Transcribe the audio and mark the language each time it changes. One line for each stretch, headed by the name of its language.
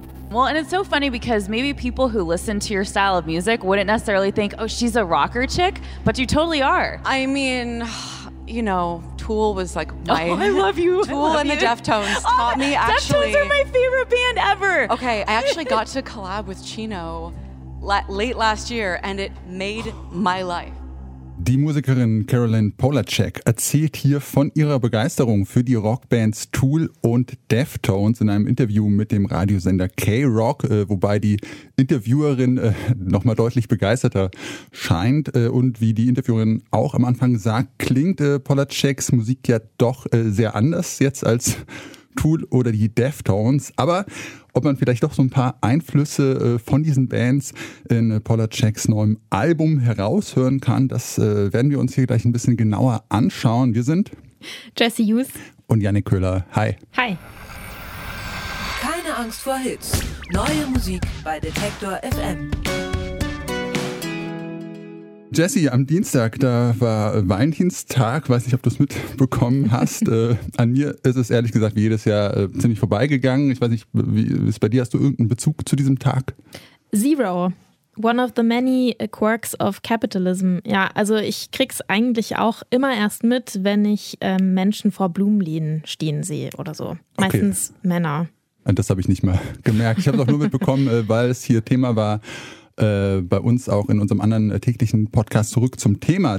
English: Well, and it's so funny because maybe people who listen to your style of music wouldn't necessarily think, oh, she's a rocker chick, but you totally are. I mean, you know, Tool was like my... Oh, I love you. Tool love and you. The Deftones taught me actually... Deftones are my favorite band ever. Okay, I actually got to collab with Chino late last year and it made my life.
German: Die Musikerin Carolyn Polacek erzählt hier von ihrer Begeisterung für die Rockbands Tool und Deftones in einem Interview mit dem Radiosender K-Rock, wobei die Interviewerin nochmal deutlich begeisterter scheint. Und wie die Interviewerin auch am Anfang sagt, klingt Polaceks Musik ja doch sehr anders jetzt als Tool oder die Deftones. Aber ob man vielleicht doch so ein paar Einflüsse von diesen Bands in Polaceks neuem Album heraushören kann, das werden wir uns hier gleich ein bisschen genauer anschauen. Wir sind Jesse Hughes und Yannick Köhler. Hi. Hi. Keine Angst vor Hits. Neue Musik bei Detektor FM. Jesse, am Dienstag, da war Valentinstag, weiß nicht, ob du es mitbekommen hast. An mir ist es ehrlich gesagt wie jedes Jahr ziemlich vorbeigegangen. Ich weiß nicht, wie ist bei dir, hast du irgendeinen Bezug zu diesem Tag?
English: Zero. One of the many quirks of capitalism.
German: Ja, also ich krieg's eigentlich auch immer erst mit, wenn ich Menschen vor Blumenläden stehen sehe oder so. Meistens okay. Männer. Und das habe ich nicht mal gemerkt. Ich habe es auch nur mitbekommen, weil es hier Thema war. Bei uns auch in unserem anderen täglichen Podcast zurück zum Thema.